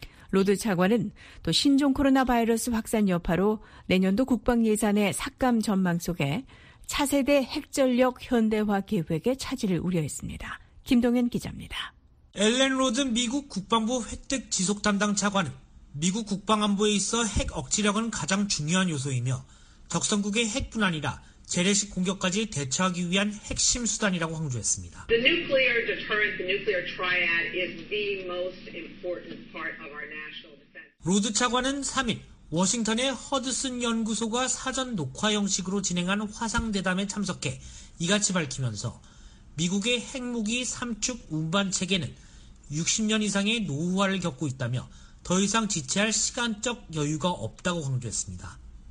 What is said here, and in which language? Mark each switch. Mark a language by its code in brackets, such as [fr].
[ko] 로드 차관은 또 신종 코로나 바이러스 확산 여파로 내년도 국방 예산의 삭감 전망 속에 차세대 핵전력 현대화 계획의 차질을 우려했습니다. 김동현 기자입니다. 엘렌 로드 미국 국방부 획득 지속 담당 차관은 미국 국방안보에 있어 핵 억지력은 가장 중요한 요소이며 적성국의 핵뿐 아니라 재래식 공격까지 대처하기 위한 핵심 수단이라고 강조했습니다. [en] The nuclear deterrent, the nuclear triad is the most important part of our national defense. [ko] 로드 차관은 3일 워싱턴의 허드슨 연구소가 사전 녹화 형식으로 진행한 화상대담에 참석해 이같이 밝히면서 미국의 핵무기 3축 운반 체계는 60년 이상의 노후화를 겪고 있다며 더 이상 지체할 시간적 여유가 없다고 강조했습니다.